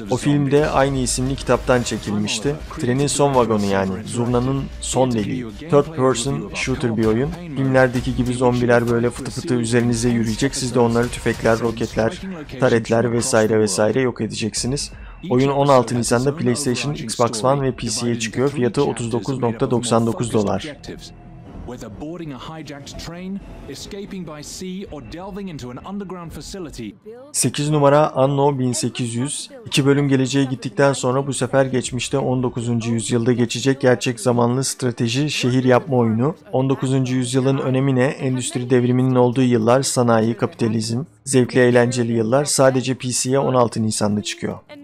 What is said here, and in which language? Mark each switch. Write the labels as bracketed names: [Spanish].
[Turkish] O film de aynı isimli kitaptan çekilmişti. Trenin son vagonu yani, zurnanın son deliği. Third person shooter bir oyun. Filmlerdeki gibi zombiler böyle fıtı fıtı üzerinize yürüyecek, siz de onları tüfekler, roketler, taretler vesaire vesaire yok edeceksiniz. Oyun 16 Nisan'da PlayStation, Xbox One ve PC'ye çıkıyor. Fiyatı 39.99 dolar. [English] Whether boarding a hijacked train, escaping by sea or delving into an underground facility. [Turkish] 8 numara Anno 1800. 2 bölüm geleceğe gittikten sonra bu sefer geçmişte 19. yüzyılda geçecek gerçek zamanlı strateji şehir yapma oyunu. 19. yüzyılın önemi ne? Endüstri devriminin olduğu yıllar, sanayi, kapitalizm, zevkli eğlenceli yıllar. Sadece PC'ye 16 Nisan'da çıkıyor.